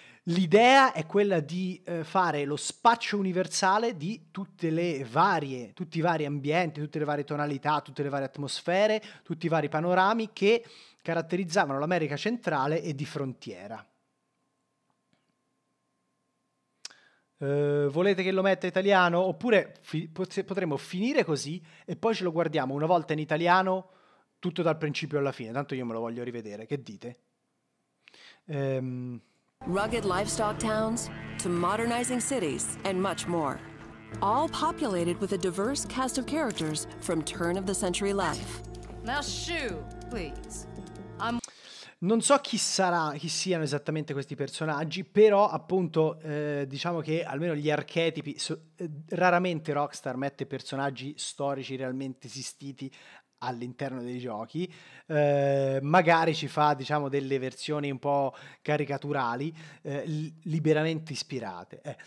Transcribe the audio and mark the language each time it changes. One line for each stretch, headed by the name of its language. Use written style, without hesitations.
Italian: L'idea è quella di fare lo spaccio universale di tutti i vari ambienti, tutte le varie tonalità, tutte le varie atmosfere, tutti i vari panorami che caratterizzavano l'America centrale e di frontiera. Volete che lo metta italiano? Oppure potremmo finire così e poi ce lo guardiamo una volta in italiano, tutto dal principio alla fine. Tanto io me lo voglio rivedere. Che dite?
English: Rugged livestock towns to modernizing cities and much more. All populated with a diverse cast of characters from turn of the century life. Now shoo, please.
Italian: Non so chi siano esattamente questi personaggi, però appunto diciamo che almeno gli archetipi, raramente Rockstar mette personaggi storici realmente esistiti all'interno dei giochi, magari ci fa, diciamo, delle versioni un po' caricaturali, liberamente ispirate.